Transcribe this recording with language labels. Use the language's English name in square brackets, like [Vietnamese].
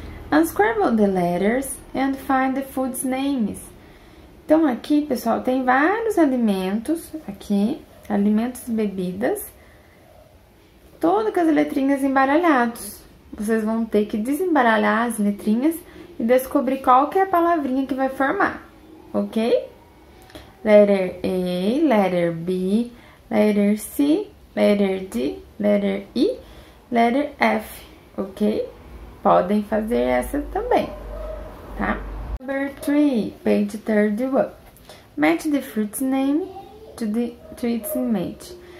[English] Unscramble the letters and find the food's names. [Portuguese] Então, aqui, pessoal, tem vários alimentos, aqui, alimentos e bebidas, todas com as letrinhas embaralhadas. Vocês vão ter que desembaralhar as letrinhas e descobrir qual que é a palavrinha que vai formar, ok? [English] Letter A, letter B, letter C, letter D, letter E, letter F. Ok? [Portuguese] Podem fazer essa também, tá? [English] Number 3, page 31. Match the fruit's name to its image.